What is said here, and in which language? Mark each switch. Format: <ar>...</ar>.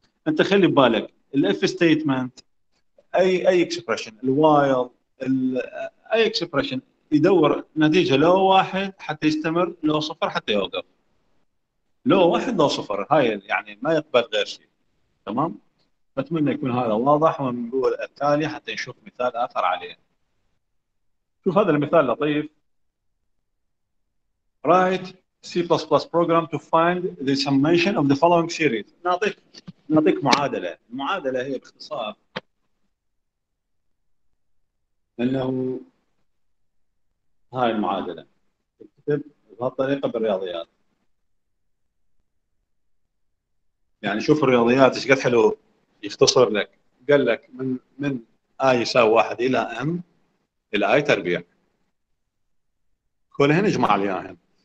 <ar>انت خلي ببالك الاف ستيتمنت اي اكسبريشن الوايل اي اكسبريشن يدور نتيجه لو واحد حتى يستمر، لو صفر حتى يوقف، لو واحد لو صفر هاي يعني ما يقبل غير شيء تمام. بتمنى يكون هذا واضح. ونقول التالي حتى نشوف مثال اخر عليه. شوف هذا المثال لطيف.</ar> <en>write C++ program to find the summation of the following series.</en> <ar>نعطيك معادله. المعادله هي باختصار انه هاي المعادله تكتب بهالطريقه بالرياضيات. يعني شوف الرياضيات ايش قد حلو يختصر لك. قال لك من اي يساوي 1 الى ام الاي تربيع، كلهن اجمع عليهم.</ar>